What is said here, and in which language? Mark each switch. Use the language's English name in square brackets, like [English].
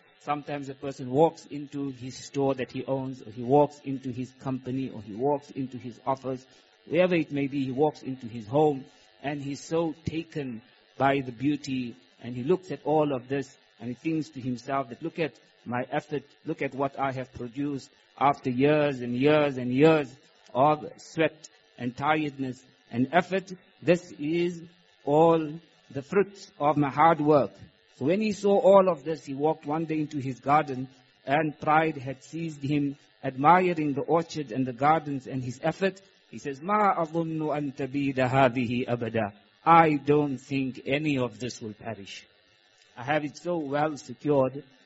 [English] Sometimes a person walks into his store that he owns, or he walks into his company, or he walks into his office, wherever it may be, he walks into his home, and he's so taken by the beauty, and he looks at all of this, and he thinks to himself that, look at my effort, look at what I have produced after years and years and years of sweat and tiredness and effort. This is all the fruits of my hard work. So when he saw all of this, he walked one day into his garden and pride had seized him, admiring the orchard and the gardens and his effort. He says, [Arabic] مَا أَظُنُّ أَن تَبِيدَ هَذِهِ أَبَدًا. [English] I don't think any of this will perish. I have it so well secured.